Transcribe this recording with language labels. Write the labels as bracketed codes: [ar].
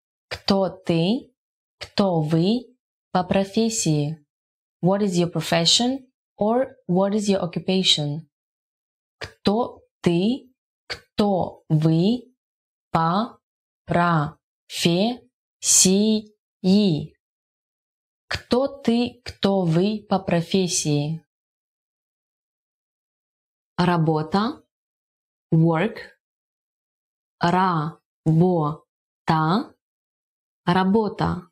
[ru] Кто ты, кто вы по профессии? [en] What is your profession or what is your occupation? [ru] Кто ты, кто вы по профессии? Кто ты, кто вы по профессии? Работа, [en] work, [ru] работа, работа.